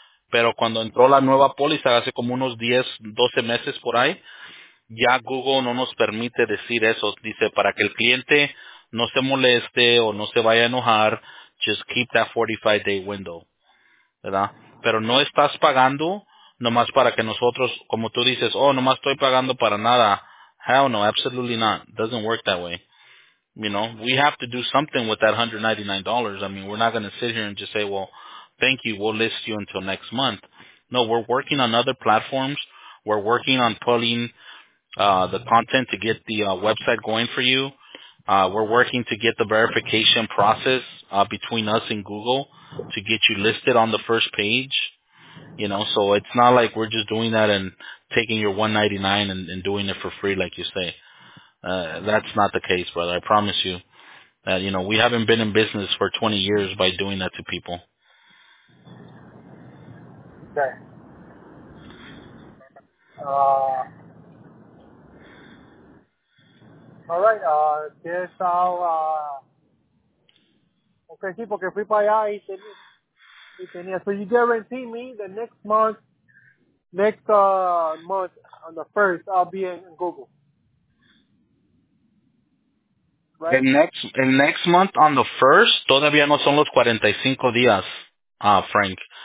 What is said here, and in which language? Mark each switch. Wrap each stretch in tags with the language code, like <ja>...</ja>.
<es>Pero cuando entró la nueva póliza hace como unos 10, 12 meses por ahí, ya Google no nos permite decir eso. Dice, para que el cliente no se moleste o no se vaya a enojar,</es> <en>just keep that 45-day window,</en> <es>¿verdad? Pero no estás pagando nomás para que nosotros, como tú dices, oh, nomás estoy pagando para nada.</es> <en>Hell no, absolutely not. Doesn't work that way. You know, we have to do something with that $199. I mean, we're not going to sit here and just say, well, thank you, we'll list you until next month. No, we're working on other platforms. We're working on pulling the content to get the website going for you. We're working to get the verification process between us and Google to get you listed on the first page. You know, so it's not like we're just doing that and taking your $199 and doing it for free, like you say. That's not the case, brother. I promise you that, you know, we haven't been in business for 20 years by doing that to people. Okay. All right. Yes, I'll...</en> <es>Okay, sí, porque fui para allá y tenía.</es> <en>So you guarantee me the next month on the 1st, I'll be in Google. right?</en> <es>El</es> <en>next month on the first,</en> <es>todavía no son los 45 días, Frank.</es>